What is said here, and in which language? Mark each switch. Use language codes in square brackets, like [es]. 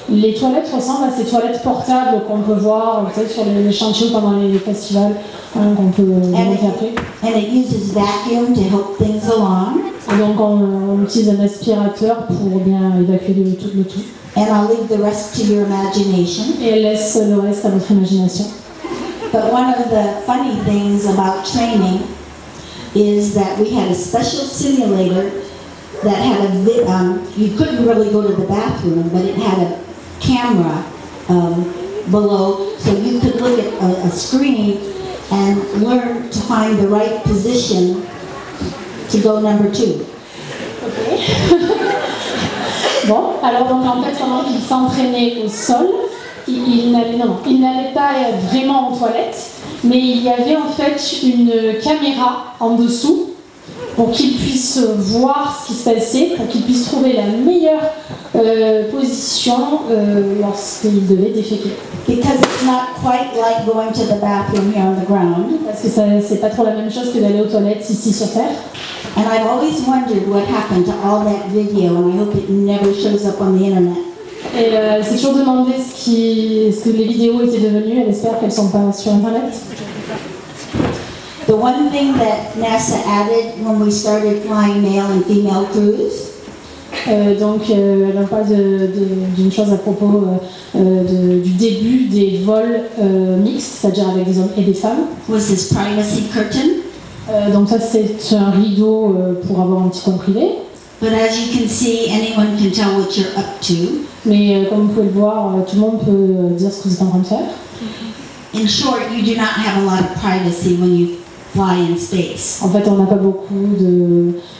[fr] Les toilettes ressemblent à ces toilettes portables qu'on peut voir sur les chantiers pendant les festivals, hein, qu'on peut montrer après. [en] And it uses vacuum to help things along. [fr] Et donc on utilise un aspirateur pour bien évacuer tout le tout. [en] And I'll leave the rest to your imagination. [fr] Et elle laisse le reste à votre imagination. [en] But one of the funny things about training is that we had a special simulator that had you couldn't really go to the bathroom, but it had a camera below, so you could look at a screen and learn to find the right position to go number two. Okay. [fr] Bon, alors donc en fait pendant qu'il s'entraînait au sol, il n'allait pas vraiment aux toilettes, mais il y avait en fait une caméra en dessous pour qu'il puisse voir ce qui se passait, pour qu'il puisse trouver la meilleure position lorsqu'il devait déféquer. [en] Because it's not quite like going to the bathroom here on the ground. [fr] Parce que ça, c'est pas trop la même chose que d'aller aux toilettes ici sur Terre. [en] And I've always wondered what happened to all that video, and I hope it never shows up on the internet. [fr] Et c'est toujours demandé ce que les vidéos étaient devenues. Elle espère qu'elles sont pas sur internet. [en] The one thing that NASA added when we started flying male and female crews. [fr] Elle parle d'une chose à propos du début des vols mixtes, c'est-à-dire avec des hommes et des femmes. [en] Was this privacy curtain? [fr] Donc ça c'est un rideau pour avoir un petit coin privé. [en] But as you can see, anyone can tell what you're up to. [fr] Mais comme vous pouvez le voir, tout le monde peut dire ce que vous êtes en train de faire. [en] In short, you do not have a lot of privacy when you fly in space. [fr] En fait, on n'a pas beaucoup de.